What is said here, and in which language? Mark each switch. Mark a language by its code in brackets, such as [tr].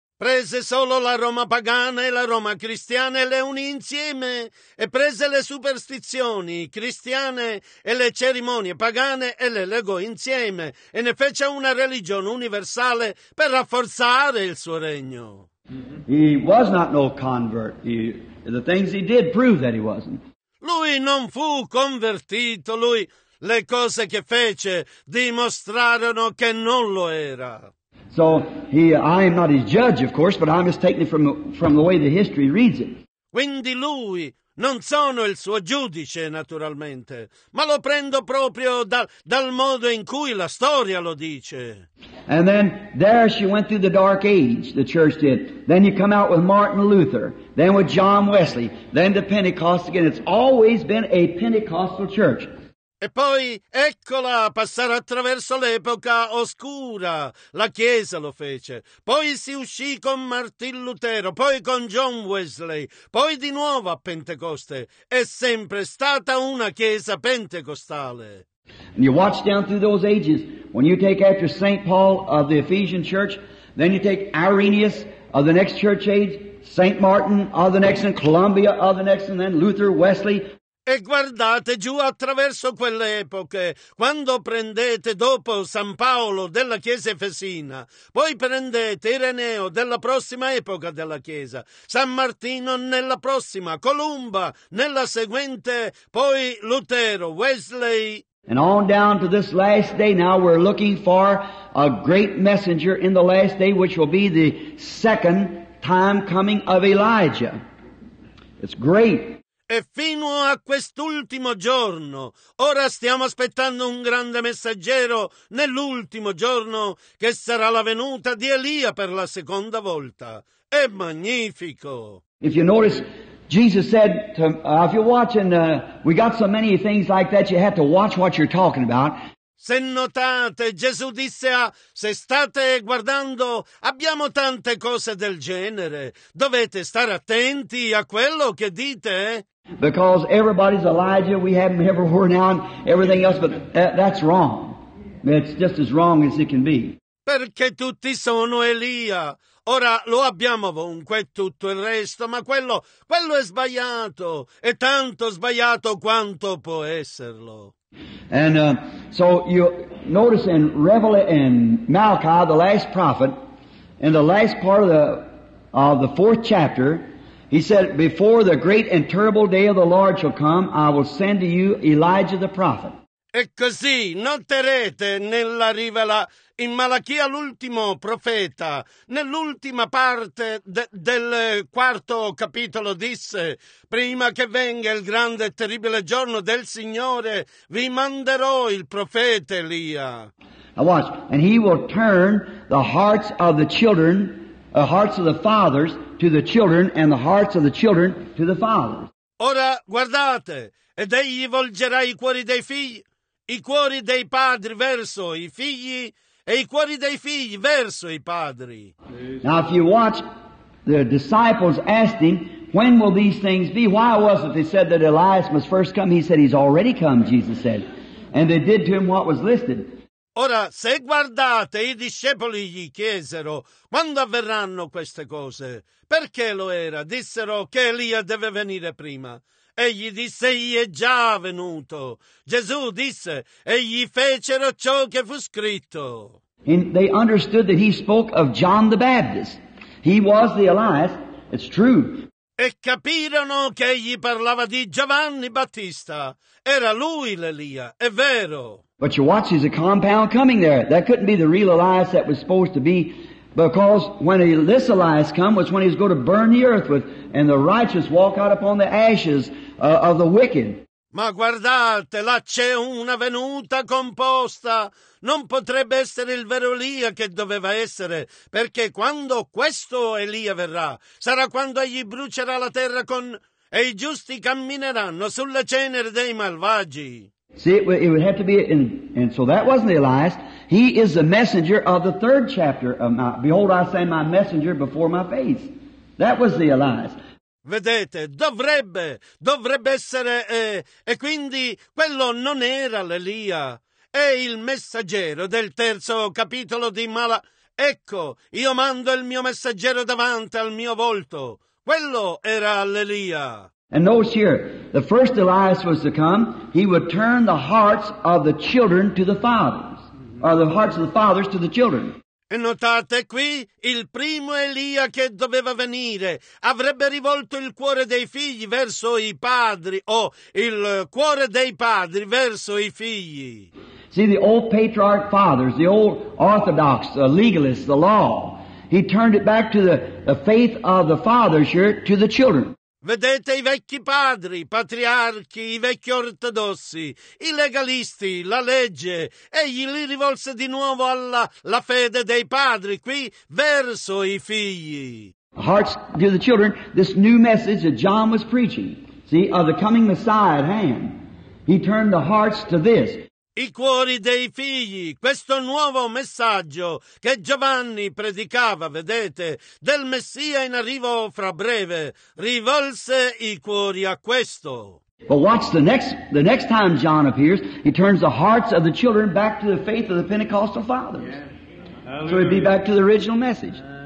[it] Prese solo la Roma pagana e la Roma cristiana e le unì insieme e prese le superstizioni cristiane e le cerimonie pagane e le legò insieme e ne fece una religione universale per rafforzare il suo regno. [en] He was not no convert. The things he did prove that he wasn't. [it] Lui non fu convertito. Lui, le cose che fece dimostrarono che non lo era. [en] So I am not his judge, of course, but I'm just taking it from the way the history reads it. [it] Quindi lui non sono il suo giudice, naturalmente, ma lo prendo proprio dal modo in cui la storia lo dice. [en] And then there she went through the dark age, the church did. Then you come out with Martin Luther, then with John Wesley, then the Pentecost again. It's always been a Pentecostal church. [it] E poi, eccola, passare attraverso l'epoca oscura. La Chiesa lo fece. Poi si uscì con Martin Lutero, poi con John Wesley, poi di nuovo a Pentecoste. È sempre stata una Chiesa pentecostale. [en] And you watch down through those ages. When you take after St. Paul of the Ephesian Church, then you take Irenaeus of the next church age, St. Martin of the next, and Columbia of the next, and then Luther, Wesley. [it] E guardate giù attraverso quelle epoche, quando prendete dopo San Paolo della Chiesa Efesina, poi prendete Ireneo della prossima epoca della Chiesa, San Martino nella prossima, Columba nella seguente, poi Lutero, Wesley. [en] And on down to this last day, now we're looking for a great messenger in the last day, which will be the second time coming of Elijah. It's great. [it] E fino a quest'ultimo giorno, ora stiamo aspettando un grande messaggero nell'ultimo giorno che sarà la venuta di Elia per la seconda volta. È magnifico! [en] If you notice, Jesus said, if you're watching, we got so many things like that, you have to watch what you're talking about. [it] Se notate, Gesù disse se state guardando, abbiamo tante cose del genere. Dovete stare attenti a quello che dite. [en] Because everybody's Elijah, we have him everywhere now and everything else, but that's wrong. It's just as wrong as it can be. [it] Perché tutti sono Elia. Ora lo abbiamo ovunque tutto il resto, ma quello è sbagliato. È tanto sbagliato quanto può esserlo. [en] And so you notice in Malachi, the last prophet, in the last part of the fourth chapter, he said, before the great and terrible day of the Lord shall come, I will send to you Elijah the prophet. [it] E così noterete nella rivela in Malachia l'ultimo profeta, nell'ultima parte del quarto capitolo disse, prima che venga il grande e terribile giorno del Signore, vi manderò il profeta Elia. [en] Now watch. And he will turn the hearts of the children, the hearts of the fathers to the children, and the hearts of the children to the fathers. [it] Ora guardate, ed egli volgerà i cuori dei figli, i cuori dei padri verso i figli, e i cuori dei figli verso i padri. [en] Now if you watch, the disciples asked him, when will these things be? Why was it they said that Elias must first come? He said, he's already come, Jesus said. And they did to him what was listed. [it] Ora, se guardate, i discepoli gli chiesero, quando avverranno queste cose? Perché lo era? Dissero che Elia deve venire prima. Egli disse, egli è già venuto. Gesù disse, egli fecero ciò che fu scritto. [en] And they understood that he spoke of John the Baptist. He was the Elias. It's true. [it] E capirono che egli parlava di Giovanni Battista. Era lui l'Elia, è vero. [en] But you watch, there's a compound coming there. That couldn't be the real Elias that was supposed to be, because when this Elias come was when he was going to burn the earth with, and the righteous walk out upon the ashes of the wicked. [it] Ma guardate, là c'è una venuta composta. Non potrebbe essere il vero Elia che doveva essere, perché quando questo Elia verrà, sarà quando egli brucerà la terra con e i giusti cammineranno sulle ceneri dei malvagi. [en] See, it would have to be, and so that wasn't Elias. He is the messenger of the third chapter of my, behold, I say my messenger before my face. That was the Elias. [it] Vedete, dovrebbe essere, e quindi quello non era l'Elia, è il messaggero del terzo capitolo di Mala. Ecco, io mando il mio messaggero davanti al mio volto. Quello era l'Elia. [en] And notice here, the first Elias was to come, he would turn the hearts of the children to the fathers, or the hearts of the fathers to the children. [it] E notate qui, il primo Elia che doveva venire avrebbe rivolto il cuore dei figli verso i padri, o il cuore dei padri verso i figli. [en] See, the old patriarch fathers, the old orthodox, the legalists, the law, he turned it back to the faith of the fathers here to the children. [it] Vedete i vecchi padri, i patriarchi, i vecchi ortodossi, i legalisti, la legge. Egli li rivolse di nuovo alla la fede dei padri, qui verso i figli. [en] The hearts to the children, this new message that John was preaching, see, of the coming Messiah at hand. He turned the hearts to this. [it] I cuori dei figli, questo nuovo messaggio che Giovanni predicava, vedete, del Messia in arrivo fra breve, rivolse i cuori a questo. [en] But watch the next time John appears, he turns the hearts of the children back to the faith of the Pentecostal fathers. Yeah. So he'd be back to the original message.